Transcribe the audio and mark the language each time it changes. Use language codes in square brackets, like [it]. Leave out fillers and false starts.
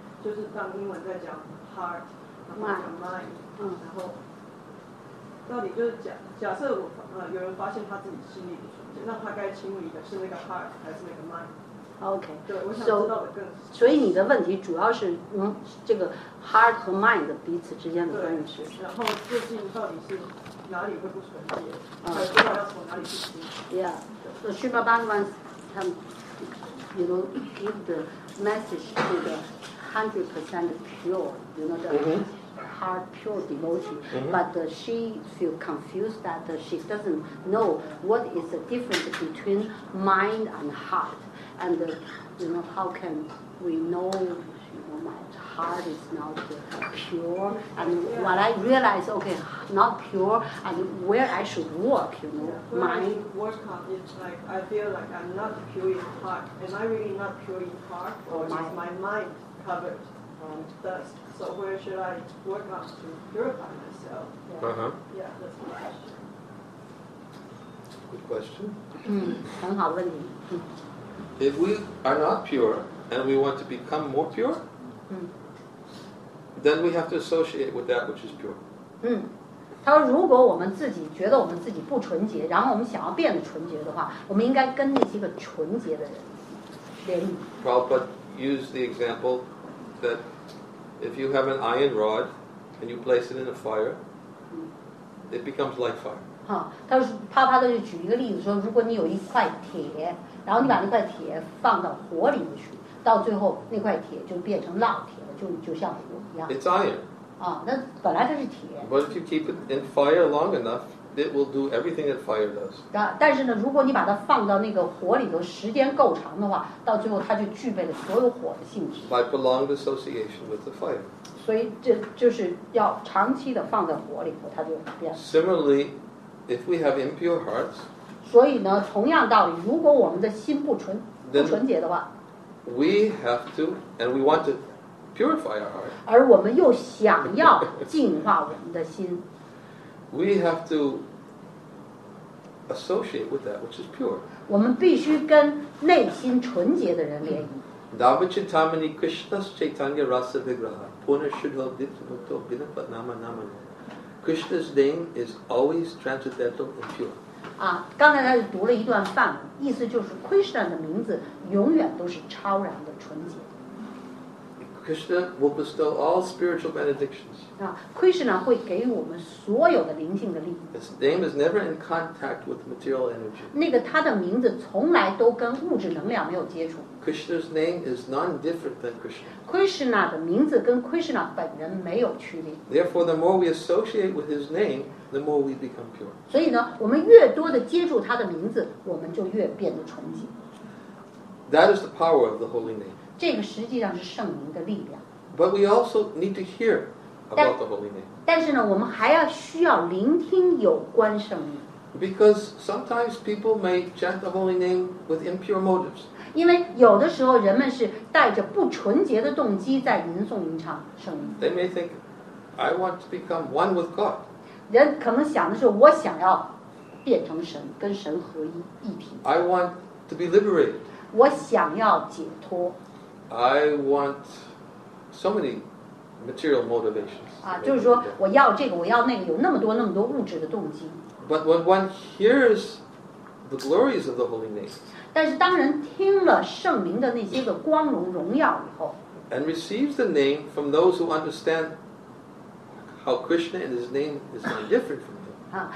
[zh] 就是当英文在讲 heart， 然后讲 mind， 然后到底就是假设我有人发现他自己心理不纯洁，那他该清理的是那个 heart 还是那个 mind？ [en] OK， [zh] 对，我想知道的更深。所以你的问题主要是，这个 heart 和 mind 彼此之间的关系是什么？然后最近到底是哪里会不纯洁？不知道要从哪里去清。 [en] Yeah， so Shrimla Bhagavan， you know， give the message to the 100% pure， you know the heart pure devotee， but she feel confused that she doesn't know what is the difference between mind and heart。 And you know, how can we know, you know, my heart is not pure? And what I realize, okay, not pure, and where I should work, you know, mind. Where I should work on is like, I feel like I'm not pure in heart. Am I really not pure in heart? Or is my mind covered with dust? So where should I work on to purify myself? Yeah, that's my question. Good question. [zh] 很好问题。 [en] If we are not pure and we want to become more pure, then we have to associate with that which is pure. [zh] 他说如果我们自己觉得我们自己不纯洁，然后我们想要变得纯洁的话，我们应该跟那些个纯洁的人联谊。 [en] Prabhupada used the example that if you have an iron rod and you place it in a fire, it becomes like fire. [zh] 他说啪啪的就举一个例子说，如果你有一块铁，然后你把那块铁放到火里面去，到最后那块铁就变成烙铁了，就像火一样。 [en] It's iron. [zh] 那本来它是铁。 [en] But if you keep it in fire long enough, it will do everything that fire does. [zh] 但是呢，如果你把它放到那个火里头时间够长的话，到最后它就具备了所有火的性质。 [en] By prolonged association with the fire. [zh] 所以这就是要长期的放在火里头，它就变了。 [en] Similarly, if we have impure hearts. [zh] 所以呢，同样道理，如果我们的心不纯洁的话 [en] ，we have to and we want to purify our heart. [zh] 而我们又想要净化我们的心 [en] ，we have to associate with that which is pure. [zh] 我们必须跟内心纯洁的人联谊。 [sa] Davachitamani Krishna Chaitanya Rasa Vigraha Puna Shuddha Dipta Bhakto Binapat Nama Nama. [en] Krishna's name is always transcendental and pure. [zh] 刚才他就读了一段梵文，意思就是 Krishna 的名字永远都是超然的纯洁。 [en] Krishna will bestow all spiritual benedictions. [zh] Krishna 会给我们所有的灵性的利益。 [en] His name is never in contact with material energy. [zh] 那个他的名字从来都跟物质能量没有接触。 [en] Krishna's name is non-different than Krishna. [zh] Krishna 的名字跟 Krishna 本人没有区别。 [en] Therefore, the more we associate with his name, the more we become pure. [zh] 所以呢，我们越多的接触他的名字，我们就越变得纯洁。 [en] That is the power of the holy name. [zh] 这个实际上是圣灵的力量。 [en] But we also need to hear about the holy name. [zh] 但是呢，我们还要需要聆听有关圣灵。 [en] Because sometimes people may chant the holy name with impure motives. [zh] 因为有的时候人们是带着不纯洁的动机在吟诵吟唱圣灵。 [en] They may think, I want to become one with God. [zh] 人可能想的是，我想要变成神，跟神合一一体。 [en] I want to be liberated. [zh] 我想要解脱。 [en] I want so many material motivations. [zh] 就是说我要这个，我要那个，有那么多那么多物质的动机。 [en] But when one hears the glories of the holy name, [zh] 但是当人听了圣灵的那些个光荣荣耀以后 [en] ，and receives the name from those who understand how Krishna and His name is not different from them.